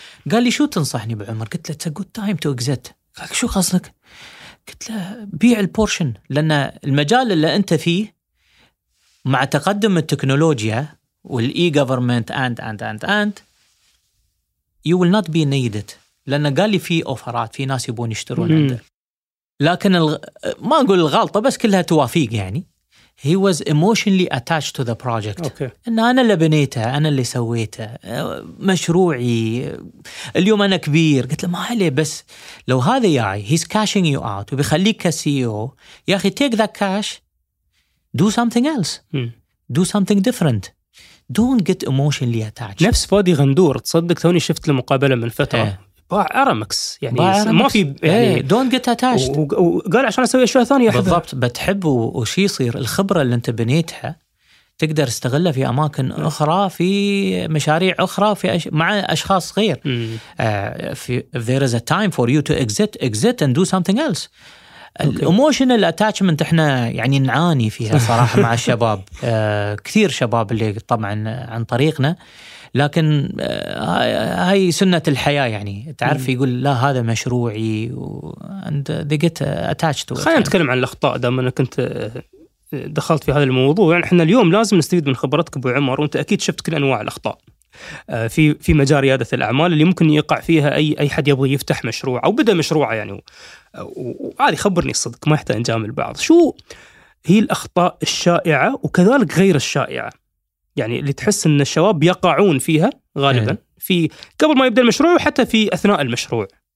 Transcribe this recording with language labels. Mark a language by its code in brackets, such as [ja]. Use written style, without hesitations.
[ar] قال لي شو تنصحني بعمر؟ قلت له [en] it's a good time to exit. [ar] قال شو قصدك؟ قلت له بيع البورشن، لأن المجال اللي أنت فيه مع تقدم التكنولوجيا والإي [en] government and you will not be needed. [ar] لأن قال لي في أوفرات، في ناس يبون يشترون عنده، لكن ما أقول الغلطة بس كلها توافيق يعني. [en] He was emotionally attached to the project. Okay. [ar] إن أنا اللي بنيته، أنا اللي سويته، مشروعي، اليوم أنا كبير. قلت له ما عليه، بس لو هذا يعي [en] he's cashing you out [ar] وبيخليك CEO، يا أخي [en] take that cash do something else. Do something different. Don't get emotionally attached. [ar] نفس فادي غندور، تصدق توني شفت المقابلة من فترة. باع أرمكس يعني ما في يعني [en] don't get attached. [ar] وقال عشان أسوي أشياء ثانية بالضبط. بتحب وشي يصير الخبرة اللي أنت بنيتها تقدر استغلها في أماكن أخرى، في مشاريع أخرى، في مع أشخاص غير. [en] If there is a time for you to exit and do something else. [ar] الإيموشنال أتاتشمنت إحنا يعني نعاني فيها صراحة مع الشباب، كثير شباب اللي طبعاً عن طريقنا، لكن هاي سنة الحياة يعني. تعرف يقول لا هذا مشروعي [en] and they get attached to it. [ar] خلينا نتكلم عن الأخطاء دائما، أنا كنت دخلت في هذا الموضوع. يعني إحنا اليوم لازم نستفيد من خبرتك أبو عمر، وأنت أكيد شفت كل أنواع الأخطاء في مجال ريادة الأعمال اللي ممكن يقع فيها أي حد يبغى يفتح مشروع أو بدأ مشروعه يعني. وعادي خبرني الصدق، ما يحتاج نجامل بعض، شو هي الأخطاء الشائعة وكذلك غير الشائعة يعني اللي تحس أن الشباب يقعون فيها غالبا في قبل ما يبدأ المشروع وحتى في أثناء المشروع؟